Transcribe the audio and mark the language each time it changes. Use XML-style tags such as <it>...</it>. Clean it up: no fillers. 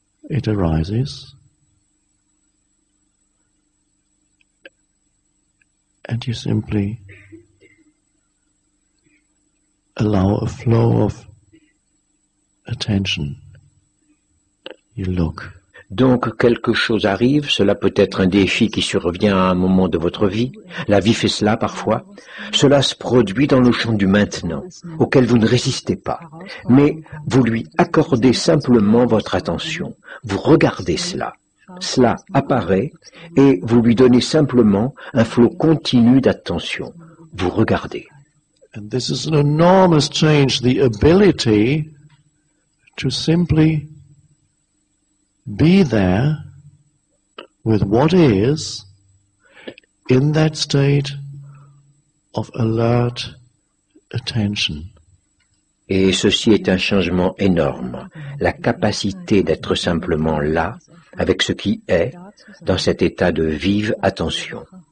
<en>It arises, and you simply allow a flow of attention. You look.</en> <fr>Donc, quelque chose arrive, cela peut être un défi qui survient à un moment de votre vie. La vie fait cela parfois. Cela se produit dans le champ du maintenant, auquel vous ne résistez pas. Mais vous lui accordez simplement votre attention. Vous regardez cela. Cela apparaît et vous lui donnez simplement un flot continu d'attention. Vous regardez.</fr> <en>And this is an enormous change, the ability to simply be there with what is in that state of alert attention.</en> <fr>Et ceci est un changement énorme, la capacité d'être simplement là avec ce qui est dans cet état de vive attention.</fr>